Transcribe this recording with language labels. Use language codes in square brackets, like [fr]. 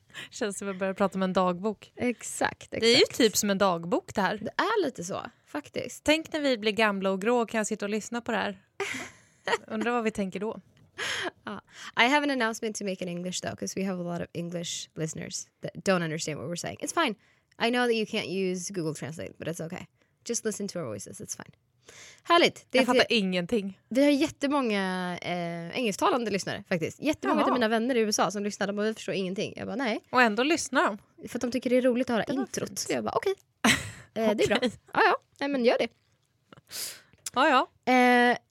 [sv] Känns som att börja prata om en dagbok. Exakt, exakt. Det är ju typ som en dagbok det här. Det är lite så, faktiskt. Tänk när vi blir gamla och grå, kan jag sitta och lyssna på det här? Undrar vad vi tänker då. [en] I have an announcement to make in English though, because we have a lot of English listeners that don't understand what we're saying. It's fine. I know that you can't use Google Translate, but it's okay. Just listen to our voices, it's fine. [sv] Härligt. Jag fattar ingenting. Vi har jättemånga engelsktalande lyssnare faktiskt. Jättemånga av mina vänner i USA som lyssnar, men vi förstår ingenting. Jag bara nej. Och ändå lyssnar de. För att de tycker det är roligt att höra introt. Så jag bara okej. Det är bra. Ja, ja. Nej, men gör det. Ja, ja.